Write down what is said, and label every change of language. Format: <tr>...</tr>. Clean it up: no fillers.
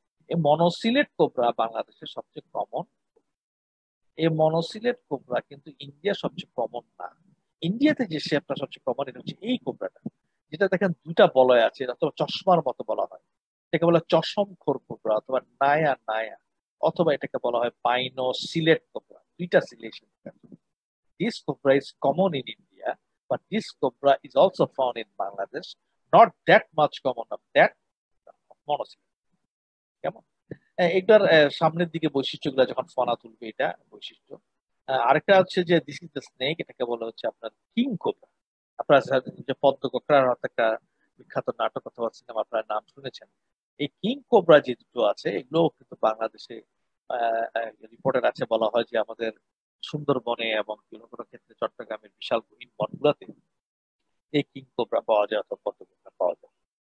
<bn>এই মনোসিলেট কোবরা বাংলাদেশের সবচেয়ে কমন, এই মনোসিলেট কোবরা কিন্তু ইন্ডিয়া সবচেয়ে কমন না, ইন্ডিয়াতে যে শেপটা সবচেয়ে কমন এটা হচ্ছে এই কোবরাটা, যেটা দেখেন দুটা বলয় আছে অথবা চশমার মতো বলা হয়, এটাকে বলা চশম খোর কোবরা অথবা নায়া নায়া, অথবা এটাকে বলা হয় পাইনো সিলেট কোবরা, দুইটা সিলেশন।</bn> <en>this cobra is common in India, but this cobra is also found in Bangladesh. Not that much common of that monosyllabic.</en> <bn>কেমন একবার সামনের দিকে বৈশিষ্ট্যগুলো যখন ফনা তুলবে এটা বৈশিষ্ট্য আরেকটা হচ্ছে যে</bn> <en>this is the snake</en> <bn>এটাকে বলা হচ্ছে আপনার কিং কোবরা আপনার যে পদ্ম কোবরা একটা বিখ্যাত নাটক অথবা সিনেমা আপনার নাম শুনেছেন এই কিং কোবরা যে দুটো আছে এগুলো কিন্তু বাংলাদেশে রিপোর্টের আছে বলা হয় যে আমাদের সুন্দরবনে এবং কোনো কোনো ক্ষেত্রে চট্টগ্রামের বিশাল গহীন বনগুলোতে এই কিং কোবরা পাওয়া যায় অথবা পদ্ম কোবরা পাওয়া যায়</bn>